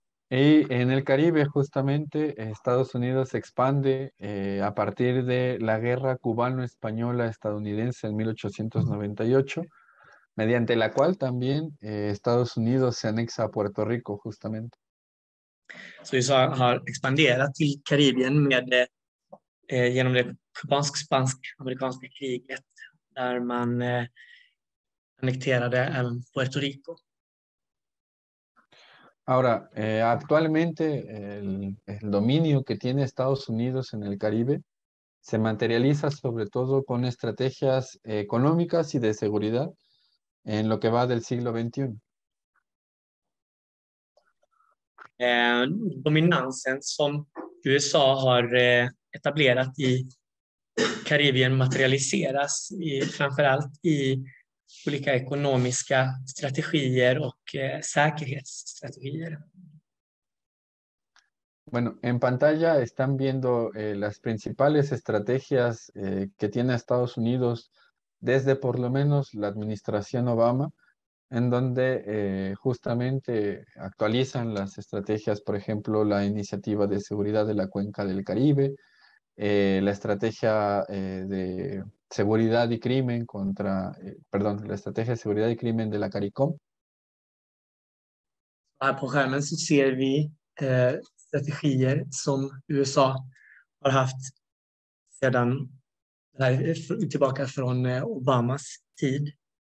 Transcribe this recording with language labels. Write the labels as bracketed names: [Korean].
[Spanish] Y en el Caribe justamente Estados Unidos se expande a partir de la guerra cubano-española estadounidense en 1898. Mediante la cual también Estados Unidos se anexa a Puerto Rico, justamente. [Swedish] Så USA har expanderat till Karibien med, genom det kubansk-spansk-amerikanska kriget där man annekterade Puerto Rico. [Spanish] Ahora, actualmente el dominio que tiene Estados Unidos en el Caribe se materializa sobre todo con estrategias económicas y de seguridad en lo que va del siglo XXI. [Swedish] Dominansen som USA har etablerat i Karibien materialiseras framförallt i olika ekonomiska strategier och säkerhetsstrategier. [Spanish] Bueno, en pantalla están viendo las principales estrategias que tiene Estados Unidos desde por lo menos la administración Obama, en donde justamente actualizan las estrategias, por ejemplo, la iniciativa de seguridad de la cuenca del Caribe, la estrategia de seguridad y crimen contra, perdón, la estrategia de seguridad y crimen de la CARICOM. [Swedish] Här på skärmen så ser vi strategier som USA har haft sedan tillbaka från Obamas tid.